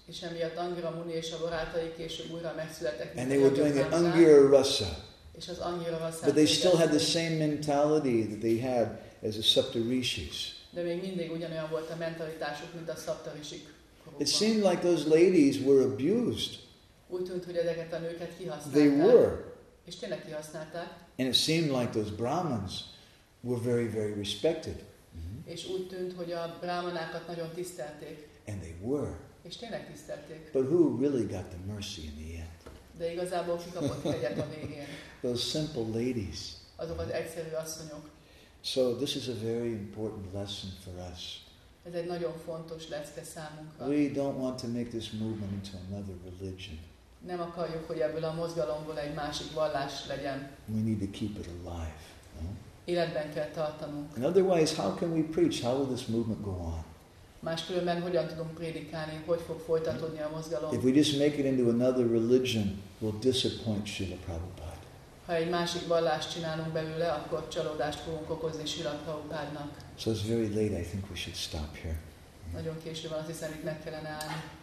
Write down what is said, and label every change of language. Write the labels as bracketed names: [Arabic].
[Hungarian] És emiatt Angira Muni és a barátai később újra megszülettek. [English] And they were doing the Angira Rasa. [Hungarian] És az Angira Rasa. [English] But they still had the same mentality that they had as the Saptarishis. [Hungarian] De még mindig ugyanolyan volt a mentalitásuk, mint a Saptarishik. [English] It seemed like those ladies were abused. [Hungarian] Úgy tűnt, hogy ezeket a nőket kihasználták. [English] They were. [Hungarian] És tényleg kihasználták. [English] And it seemed like those Brahmins were very, very respected. Mm-hmm. [Hungarian] És úgy tűnt, hogy a brahmanákat nagyon tisztelték. [English] And they were. [Hungarian] És tényleg tisztelték. [English] But who really got the mercy in the end? [Hungarian] De igazából ki kapott hegyet a végén? [English] Those simple ladies. [Hungarian] Azok az egyszerű asszonyok. [English] So this is a very important lesson for us. [Hungarian] Ez egy nagyon fontos lecke számunkra. [English] We don't want to make this movement into another religion. [Hungarian] Nem akarjuk, hogy ebből a mozgalomból egy másik vallás legyen. [English] We need to keep it alive. No? [Hungarian] Életben kell tartanunk. [English] And otherwise, how can we preach? How will this movement go on? [Hungarian] Máskülönben hogyan tudunk prédikálni, hogy fog folytatódni a mozgalom? [English] If we just make it into another religion, we'll disappoint Srila Prabhupada. [Hungarian] Ha egy másik vallást csinálunk belőle, akkor csalódást fogunk okozni Srila Prabhupádnak. [English] So it's very late, I think we should stop here. [Hungarian] Nagyon késő van, azt hiszem, itt meg kellene állni.